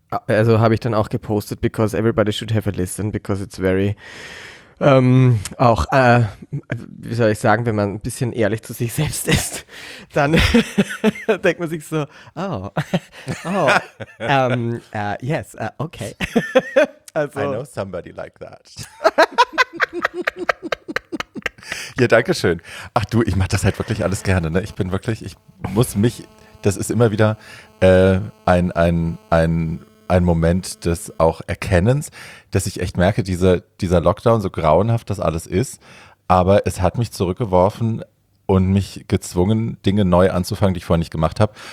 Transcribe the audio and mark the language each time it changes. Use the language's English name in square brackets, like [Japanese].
[German] Also habe ich dann auch gepostet, [English] because everybody should have a listen, because it's very, [German] wie soll ich sagen, wenn man ein bisschen ehrlich zu sich selbst ist, dann denkt man sich so, okay. [English] Also, I know somebody like that. [German] Ja, danke schön. Ach du, ich mache das halt wirklich alles gerne. Ne? Ich bin wirklich, ich muss mich, das ist immer wieder ein Moment des auch Erkennens, dass ich echt merke, dieser Lockdown, so grauenhaft das alles ist, aber es hat mich zurückgeworfen und mich gezwungen, Dinge neu anzufangen, die ich vorher nicht gemacht habe.